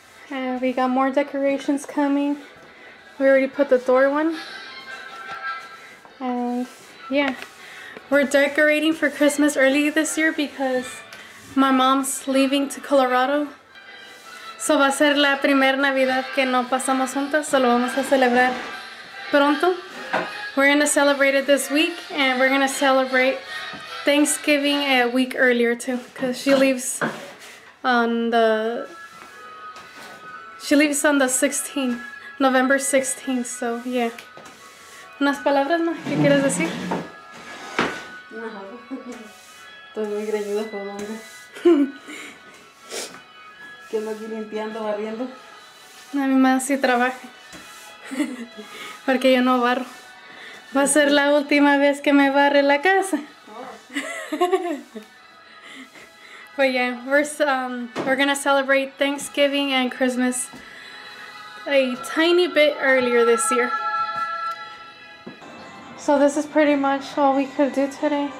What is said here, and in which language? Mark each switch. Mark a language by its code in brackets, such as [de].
[en] And we got more decorations coming. We already put the door one. And yeah, we're decorating for Christmas early this year because my mom's leaving to Colorado. [es] So va a ser la primera Navidad que no pasamos juntas, solo vamos a celebrar pronto. [en] We're gonna celebrate it this week, and we're gonna celebrate Thanksgiving a week earlier too, because she leaves on the 16th, November 16th, so yeah. [es] ¿Unas palabras, no? ¿Qué quieres decir? No. Estoy muy greñuda, por donde. ¿Qué ando aquí limpiando, barriendo? A mi mamá sí trabaja. Porque yo no barro. Va a ser la última vez que me barre la casa. [en] But yeah, we're gonna celebrate Thanksgiving and Christmas a tiny bit earlier this year. So this is pretty much all we could do today.